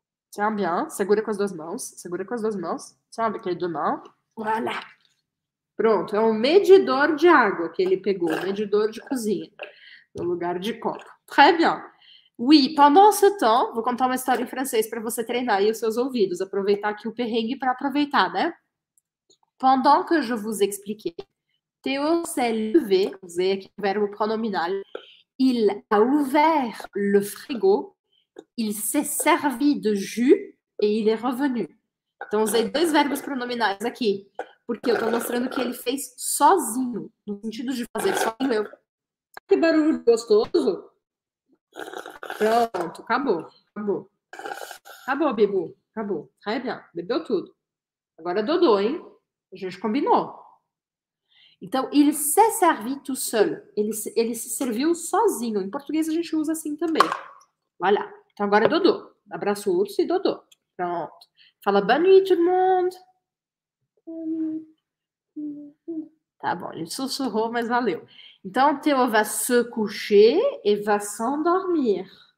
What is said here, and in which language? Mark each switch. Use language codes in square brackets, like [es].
[fr] Tiens bien, [pt] segura com as duas mãos. Segura com as duas mãos. Tiens, aquele do mão. Voilà. Pronto, é um medidor de água que ele pegou, medidor de cozinha, no lugar de copo. [fr] Très bien. Oui, pendant ce temps, [pt] vou contar uma história em francês para você treinar aí os seus ouvidos, aproveitar aqui o perrengue para aproveitar, né? [fr] Pendant que je vous expliquais, Théo s'est levé, [pt] usei aqui o verbo pronominal, [fr] il a ouvert le frigo. Il s'est servi de jus et il est revenu. [pt] Então, usei dois verbos pronominais aqui, porque eu estou mostrando que ele fez sozinho, no sentido de fazer sozinho. Que barulho gostoso! Pronto, acabou, acabou. Acabou, Bibu, acabou. [fr] Très bien, [pt] bebeu tudo. Agora Dodô, hein? A gente combinou. [fr] Então, il s'est servi tout seul. [pt] Ele se serviu sozinho. Em português, a gente usa assim também. Voilà. Então agora é Dodô. Abraço o urso e Dodô. Pronto. Fala boa noite, todo mundo. Tá bom, ele sussurrou, mas valeu. Então, Théo [fr] va se coucher [pt] e [fr] va s'endormir.